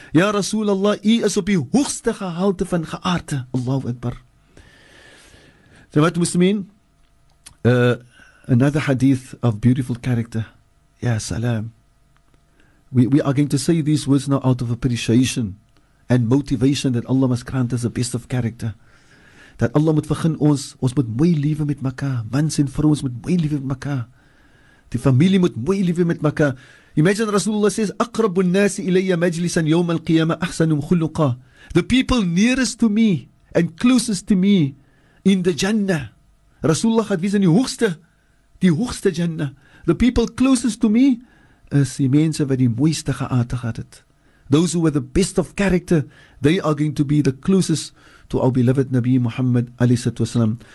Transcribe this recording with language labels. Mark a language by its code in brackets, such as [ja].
[af] Ya Rasulullah, u is op die hoogste gehalte van geaarde. [ar] Allahu Akbar. [en] So wat muslimin, another hadith of beautiful character. [ar] Ya salam. [en] We are going to say these words now out of appreciation and motivation that Allah must grant us the best of character. [af] That Allah moet begin ons moet mooi liewe met mekaar. Mans en vrouens moet mooi liewe met mekaar. Die familie moet mooi liewe met mekaar. [en] Imagine Rasulullah says, [ar] أقرب الناس إلي مجلسا يوم القيامة أحسنهم خلقا. [en] The people nearest to me and closest to me in the Jannah. [af] Rasulullah gaat wees in die hoogste Jannah. [en] The people closest to me is [af] die mense wat die mooiste geaarde gehad het. [en] Those who were the best of character, they are going to be the closest to our beloved Nabi Muhammad [ar] alayhi wasalam.